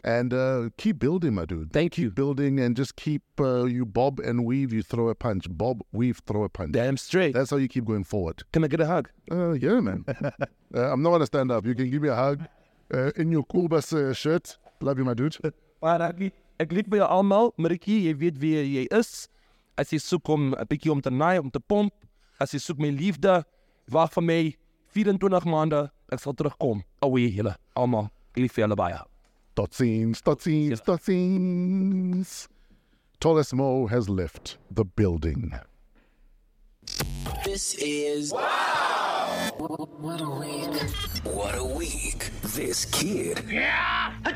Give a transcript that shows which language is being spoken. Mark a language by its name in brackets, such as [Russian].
[English] And keep building, my dude. Thank keep you. Keep building and just keep, you bob and weave, you throw a punch. Bob, weave, throw a punch. Damn straight. That's how you keep going forward. Can I get a hug? Yeah, man. I'm not going to stand up. You can give me a hug in your cool bus shirt. Love you, my dude. [Afrikaans] Ek liek by jou almal, Mirky, jy weet wie jy is. As jy soek om 'n bietjie om te naai, om te pomp, as jy soek my liefde, wag vir my 24 maande, ek sal terugkom. Awe julle almal, ek lief vir julle baie. Tot ziens, tot ziens, tot ziens. [English] Tolismo has left the building. This is... Wow! What a week. What a week. This kid... Yeah!